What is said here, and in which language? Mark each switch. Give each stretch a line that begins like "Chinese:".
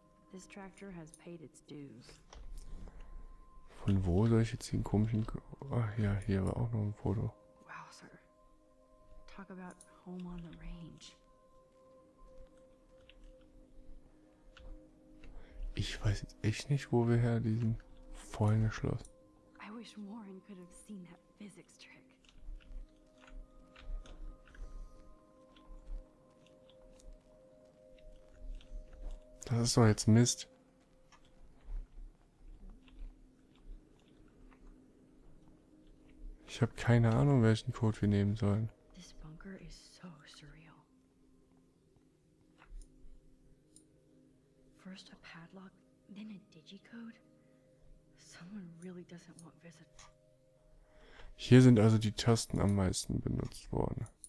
English: This tractor has paid its dues.
German: Von wo soll ich jetzt den komischen Code? Ach ja, hier war auch noch ein Foto.
English: Wow, Sir. Talk about home on the range.
German: Ich weiß jetzt echt nicht, wo wir her diesen vollen Schloss.
English: I wish Warren could have seen that physics trick.
German: Das ist doch jetzt Mist. Ich habe keine Ahnung, welchen Code wir nehmen sollen.
English: This bunker is so surreal. First a padlock, then a digicode. Someone really doesn't want visit.
German: Hier sind also die Tasten am meisten benutzt worden.